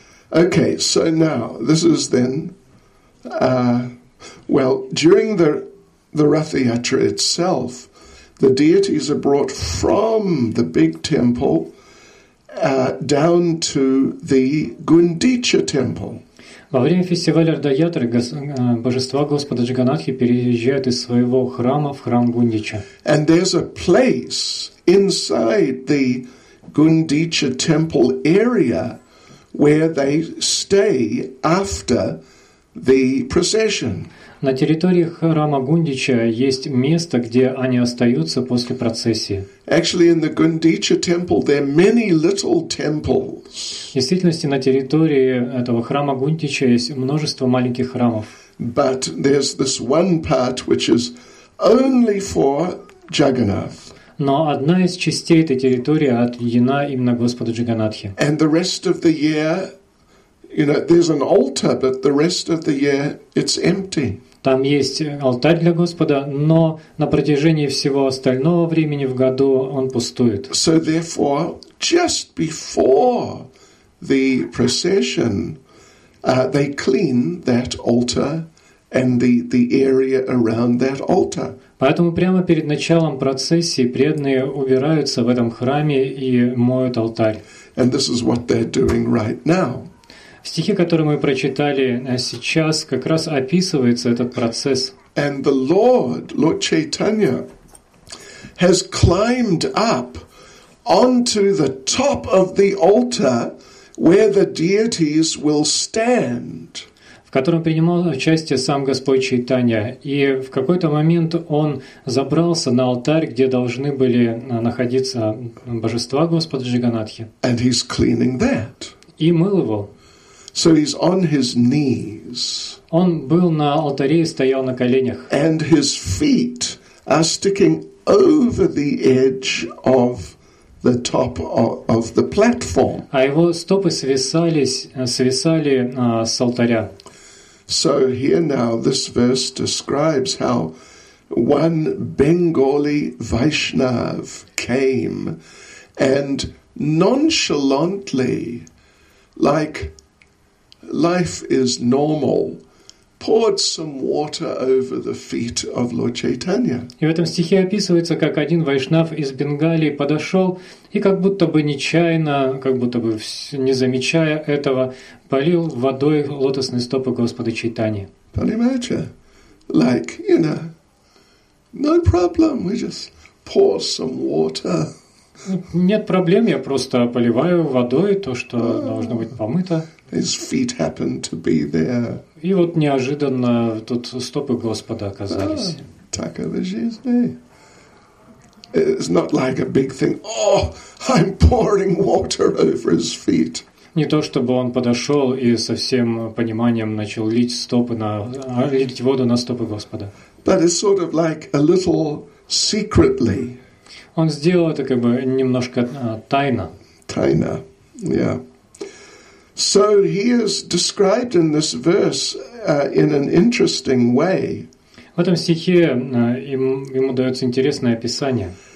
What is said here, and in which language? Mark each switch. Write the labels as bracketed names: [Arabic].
[English] Окей, so now, this is then, during the Ratha Yatra itself, the deities are brought from the big temple down to the Гундича temple. [Russian] Во время фестиваля Ратха Ятры божества Господа Джаганатхи переезжают из своего храма в храм Гундича. [English] And there's a place inside the Гундича temple area where they stay after the procession. [Russian] На территории храма Гундича есть место, где они остаются после процессии. [English] Actually, in the Gundicha temple there are many little temples. [Russian] В действительности, на территории этого храма Гундича есть множество маленьких храмов. [English] But there's this one part which is only for Jagannath. [Russian] Но одна из частей этой территории отведена именно Господу Джаганнатхе. [English] And the rest of the year, you know, there's an altar, but the rest of the year it's empty. [Russian] Там есть алтарь для Господа, но на протяжении всего остального времени в году он пустует. [English] So therefore, just before the procession, they clean that altar and the area around that altar. [Russian] Поэтому прямо перед началом процессии преданные убираются в этом храме и моют алтарь. [English] And this is what they're doing right now. [Russian] В стихе, который мы прочитали сейчас, как раз описывается этот процесс. [English] And the Lord, Lord Chaitanya, has climbed up onto the top of the altar where the deities will stand. [Russian] В котором принимал участие сам Господь Чайтанья. И в какой-то момент он забрался на алтарь, где должны были находиться божества Господа Джаганнатхи. [English] And he's cleaning that. [Russian] И мыл его. [English] So he's on his knees. [Russian] Он был на алтаре и стоял на коленях. [English] And his feet are sticking over the edge of the top of the platform. [Russian] А его стопы свисали с алтаря. [English] So here now this verse describes how one Bengali Vaishnav came and nonchalantly, like life is normal, poured some water over the feet of Lord Chaitanya. [Russian] И в этом стихе описывается, как один Вайшнав из Бенгалии подошёл и как будто бы нечаянно, как будто бы не замечая этого, полил водой лотосные стопы Господа Чайтаньи. Понимаете? [English] Like, you know, no problem, we just pour some water. [Russian] Нет проблем, я просто поливаю водой то, что должно быть помыто. [English] His feet happened to be there. [Russian] И вот неожиданно тут стопы Господа оказались. Такова жизнь. [English] It's not like a big thing. Oh, I'm pouring water over his feet. [Russian] Не то чтобы он подошёл и со всем пониманием начал лить воду на стопы Господа. [English] But it's sort of like a little secretly. [Russian] Он сделал это как бы немножко тайно. [English] Тайно, yeah. So he is described in this verse in an interesting way. [Russian] В этом стихе ему даётся интересное описание.